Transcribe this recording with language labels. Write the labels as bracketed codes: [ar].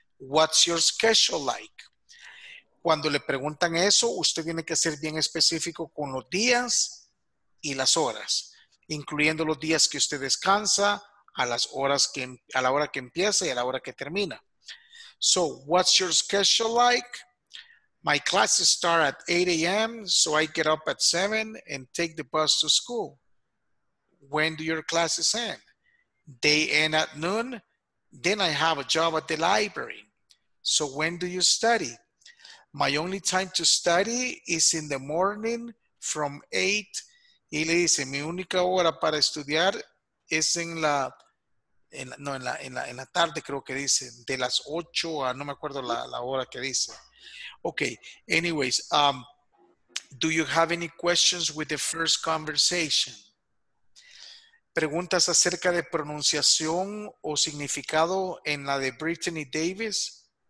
[en] What's your schedule like? [es] Cuando le preguntan eso, usted tiene que ser bien específico con los días y las horas, incluyendo los días que usted descansa, a la hora que empieza y a la hora que termina. [en] So, what's your schedule like? My classes start at 8 a.m., so I get up at 7 and take the bus to school. When do your classes end? They end at noon. Then I have a job at the library. So when do you study? My only time to study is in the morning from 8. [es] Y le dice, mi única hora para estudiar es en la tarde, creo que dice, de las 8 a, no me acuerdo la hora que dice. [en] Okay, anyways, do you have any questions with the first conversation? [es] ¿Preguntas acerca de pronunciación o significado en la de Brittany Davis?